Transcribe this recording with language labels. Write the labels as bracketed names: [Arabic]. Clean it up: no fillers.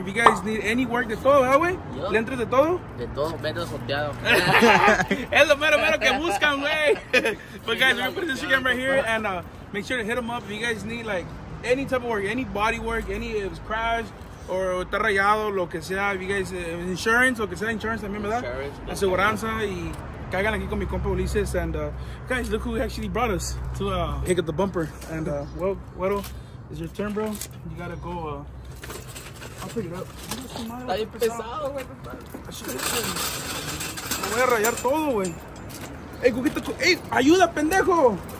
[English] If you guys need any work, [Spanish] de todo, ¿verdad, güey? ¿Le entres de todo? De todo, metro sorteado. Es lo mero, mero que buscan, güey. [English] But guys, we're gonna put his Instagram right here and make sure to hit him up if you guys need like any type of work, any body work, any if it's crash. [Spanish] Or está rayado, lo que sea. [English] If you guys, [Spanish] insurance, lo que sea, insurance también, ¿verdad? [English] Insurance. [Spanish] Aseguranza y caigan aquí con mi compa Ulises. [English] And guys, look who actually brought us to pick up the bumper. And well, Guero, it's your turn, bro. You gotta go. I'll pick it up. [Spanish] Está bien pesado, güey. Me voy a rayar todo, güey. Hey, Cuquito, hey, ayuda, pendejo.